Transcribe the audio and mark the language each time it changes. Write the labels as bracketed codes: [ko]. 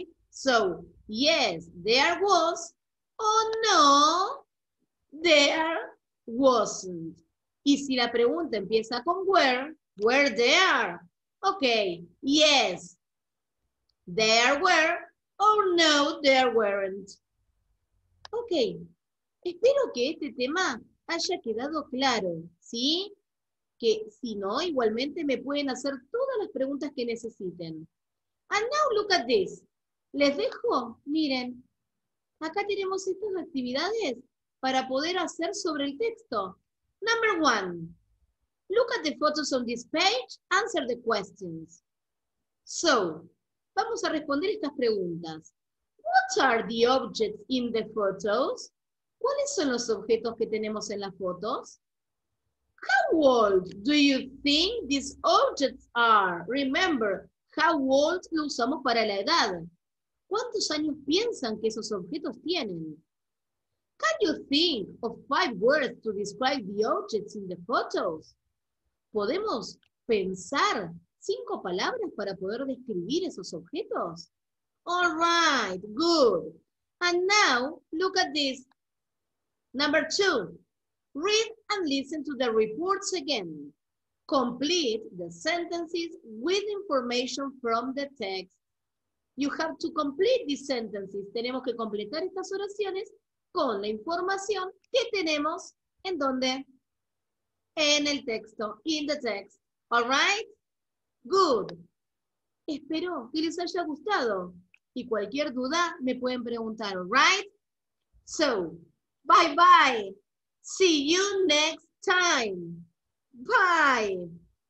[en] So, yes, there was, o no, there wasn't. [es] Y si la pregunta empieza con [en] were there, ok, yes, there were, or no, there weren't. [es] Ok, espero que este tema haya quedado claro, ¿sí? Que si no, igualmente me pueden hacer todas las preguntas que necesiten. [en] And now look at this. [es] Les dejo, miren, acá tenemos estas actividades para poder hacer sobre el texto. [en] Number one, look at the photos on this page, answer the questions. [es] So, vamos a responder estas preguntas. [en] What are the objects in the photos? [es] ¿Cuáles son los objetos que tenemos en las fotos? [en] How old do you think these objects are? Remember, how old [es] lo usamos para la edad. ¿Cuántos años piensan que esos objetos tienen? [en] Can you think of five words to describe the objects in the photos? [es] ¿Podemos pensar cinco palabras para poder describir esos objetos? [en] All right, good. And now, look at this. Number two. Read and listen to the reports again. Complete the sentences with information from the text. You have to complete these sentences. [es] Tenemos que completar estas oraciones con la información que tenemos en donde? En el texto, [en] in the text. All right? Good. [es] Espero que les haya gustado. Y cualquier duda me pueden preguntar, all right? [en] So, bye bye. See you next time. Bye.